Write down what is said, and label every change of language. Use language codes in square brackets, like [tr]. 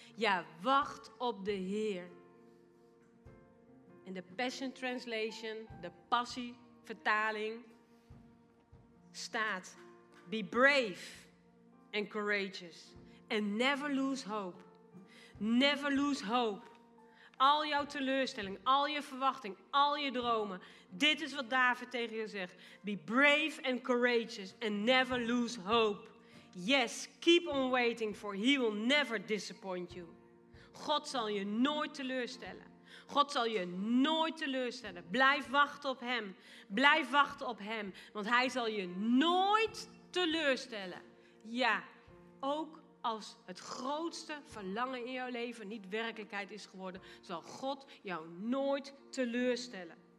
[nl] Ja, wacht op de Heer. In de Passion Translation, de Passievertaling, staat: [en] Be brave and courageous and never lose hope. Never lose hope. [nl] Al jouw teleurstelling, al je verwachting, al je dromen. Dit is wat David tegen je zegt. [en] Be brave and courageous and never lose hope. Yes, keep on waiting for He will never disappoint you. [nl] God zal je nooit teleurstellen. God zal je nooit teleurstellen. Blijf wachten op Hem. Blijf wachten op Hem. Want Hij zal je nooit teleurstellen. Ja, ook als het grootste verlangen in jouw leven niet werkelijkheid is geworden, zal God jou nooit teleurstellen.